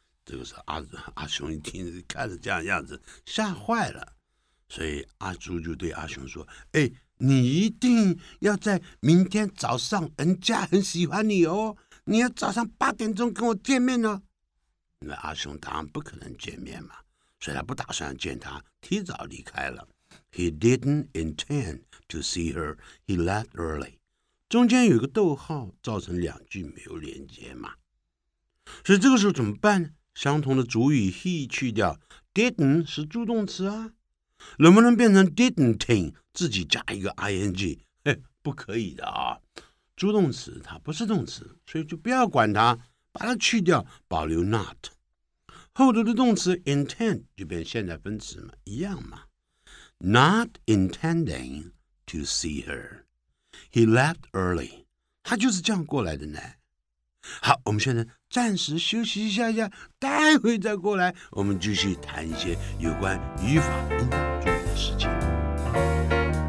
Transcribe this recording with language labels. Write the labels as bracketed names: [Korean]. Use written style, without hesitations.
[Chinese] 这个时候 阿雄一听看着这样样子吓坏了，所以阿朱就对阿雄说，哎，你一定要在明天早上，人家很喜欢你哦，你要早上8点钟跟我见面哦。因为阿雄当然不可能见面嘛，所以他不打算见他，提早离开了。 [English] He didn't intend to see her, he left early. [Chinese] 中间有个逗号造成两句没有连接嘛。所以这个时候怎么办呢？相同的主语 he 去掉， didn't 是助动词啊。能不能变成 didn't think 自己加一个 ing？不可以的啊，助动词它不是动词，所以就不要管它，把它去掉，保留 not。后头的动词 intend 就变现在分词嘛，一样嘛。 [English] not intending to see her, he left early, [Chinese] 他就是这样过来的呢。好，我们现在暂时休息一下，待会再过来，我们继续谈一些有关语法应当注意的事情。